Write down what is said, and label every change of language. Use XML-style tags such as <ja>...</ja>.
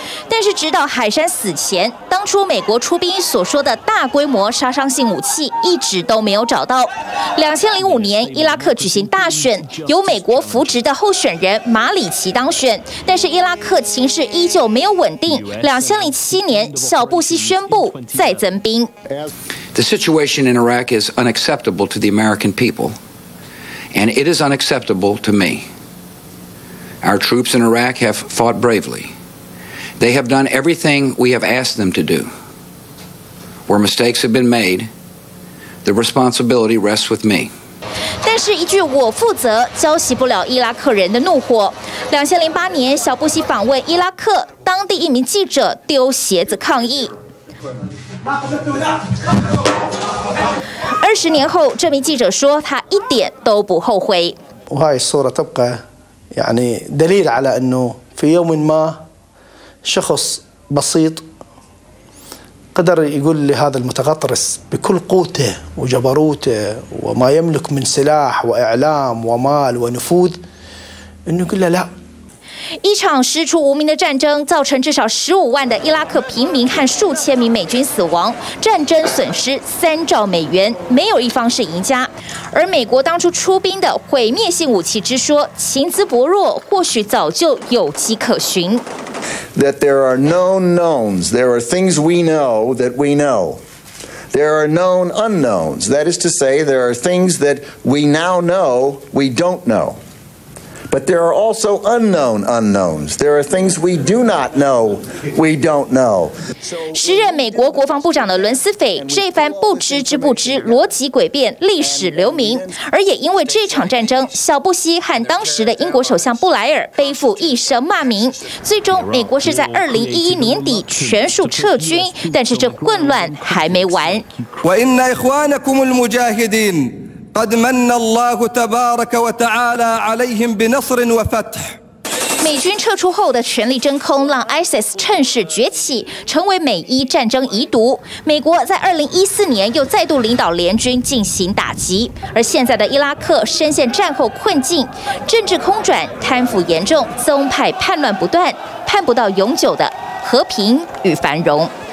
<zh>但是直到海山死前，当初美国出兵所说的大规模杀伤性武器一直都没有找到。 2005年伊拉克举行大选，由美国扶植的候选人马里奇当选，但是伊拉克情势依旧没有稳定。 2007年小布希宣布再增兵。</zh> <en>The situation in Iraq is unacceptable to the American people, and it is unacceptable to me. Our troops in Iraq have fought bravely. They have done everything we have asked them to do. Where mistakes have been made, the responsibility rests with me.</en> <zh>但是一句我负责浇熄不了伊拉克人的怒火。 2008年小布希访问伊拉克，当地一名记者丢鞋子抗议。 20年后这名记者说他一点都不后悔。</zh> <ar>وهاي الصورة تبقى يعني دليل على انه في يوم ما شخص بسيط قدر يقول لهذا المتغطرس بكل قوته وجبروته وما يملك من سلاح وإعلام ومال ونفوذ إنه يقول له لا</ar> <zh>一场师出无名的战争造成至少150,000的伊拉克平民和数千名美军死亡，战争损失3兆美元，没有一方是赢家。而美国当初出兵的毁灭性武器之说，情资薄弱，或许早就有迹可循。</zh> <en>That there are known knowns, there are things we know that we know. There are known unknowns, that is to say, there are things that we now know we don't know. But there are also unknown unknowns. There are things we do not know, we don't know.</en> <zh>时任美国国防部长的伦斯菲这番不知之不知，逻辑诡辩，历史留名。而也因为这场战争，小布希和当时的英国首相布莱尔背负一声骂名。最终，美国是在2011年底全数撤军，但是这混乱还没完。</zh> <ar>قد من الله تبارك وتعالى عليهم بنصر وفتح</ar> <zh>美军撤出后的权力真空，让 ISIS 趁势崛起，成为美伊战争遗毒。美国在2014年又再度领导联军进行打击，而现在的伊拉克深陷战后困境，政治空转，贪腐严重，宗派叛乱不断，盼不到永久的和平与繁荣。</zh>